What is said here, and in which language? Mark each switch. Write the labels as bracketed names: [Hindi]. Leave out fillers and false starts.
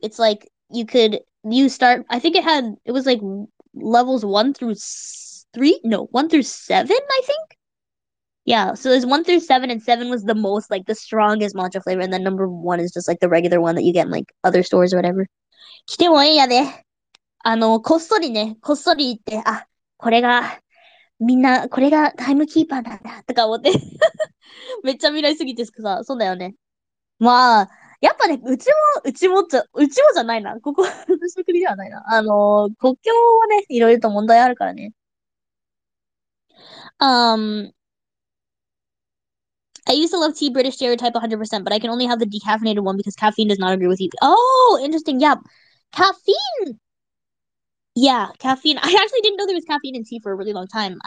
[English] It's like, I think it was like levels 1 through 3? No, 1 through 7, I think? Yeah, so there's 1 through 7, and 7 was the most, like, the strongest matcha flavor, and then 1 is just, like, the regular one that you get in, like, other stores or whatever. [Japanese] 来てもいいやで。あの、こっそりね、こっそり言って、あ、これが、みんな、これがタイムキーパーなんだ、とか思って。めっちゃ未来すぎてさ、そうだよね。まあ、やっぱね、うちもじゃないな。ここ、私の国ではないな。国境はね、いろいろと問題あるからね。 [English] I used to love tea British stereotype 100%, but I can only have the decaffeinated one because caffeine does not agree with you. Oh, interesting. Yeah. Caffeine. I actually didn't know there was caffeine in tea for a really long time.